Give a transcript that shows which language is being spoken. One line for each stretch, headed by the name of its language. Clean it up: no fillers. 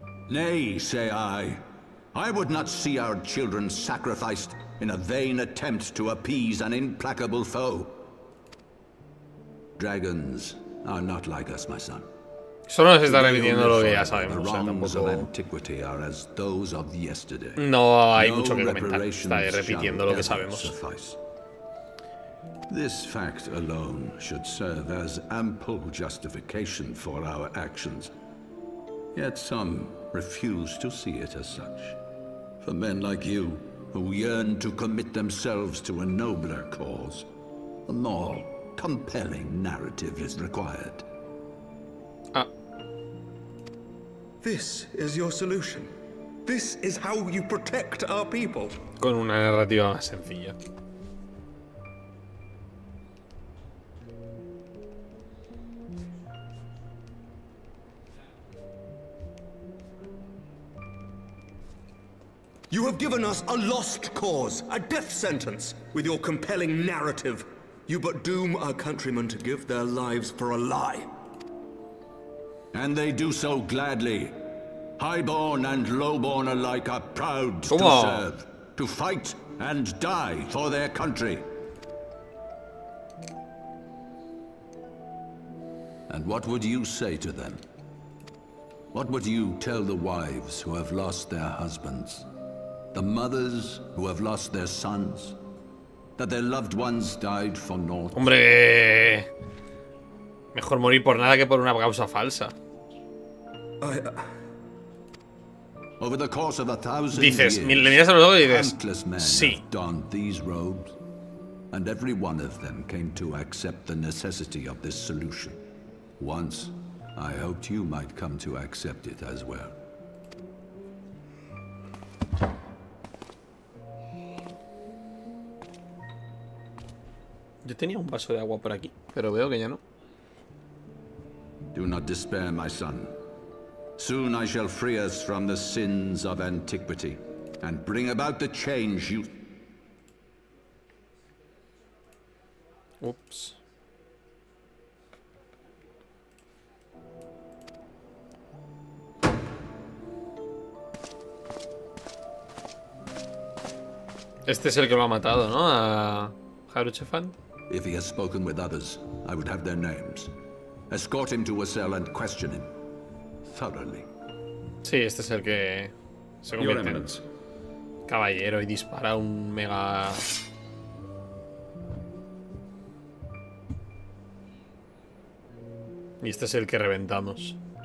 English: Nay, say I would not see our children sacrificed in a vain attempt to appease an implacable foe. Dragons are not like us, my son.
Spanish: Solo nos está repitiendo lo que ya sabemos.
English: The wrongs of antiquity are as those of yesterday.
Spanish: No hay mucho que comentar. Está repitiendo lo que sabemos.
English: This fact alone should serve as ample justification for our actions. Yet some refuse to see it as such. For men like you, who yearn to commit themselves to a nobler cause, a more compelling narrative is required. This is your solution. This is how you protect our people.
Spanish: Con una narrativa más sencilla.
English: You have given us a lost cause, a death sentence, with your compelling narrative. You but doom our countrymen to give their lives for a lie. And they do so gladly. Highborn and lowborn alike are proud to serve, to fight and die for their country. And what would you say to them? What would you tell the wives who have lost their husbands? The mothers who have lost their sons, that their loved ones died for naught.
Spanish: Hombre, mejor morir por nada que por una causa falsa.
English: Over the course of a thousand
Spanish: dices,
English: years,
Spanish: mil, le miras a los ojos y dices, sí.
English: Donned these robes, and every one of them came to accept the necessity of this solution. Once, I hoped you might come to accept it as well.
Spanish: Yo tenía un vaso de agua por aquí, pero veo que ya no.
English: Do not despair, my son. Soon I shall free us from the sins of antiquity and bring about the change you. Oops.
Spanish: Este es el que lo ha matado, ¿no? A Haruchefan.
English: If he has spoken with others, I would have their names. Escort him to a cell and question him thoroughly.
Spanish: Sí, este es el que se convierte en caballero y dispara un mega. Y este es el que reventamos.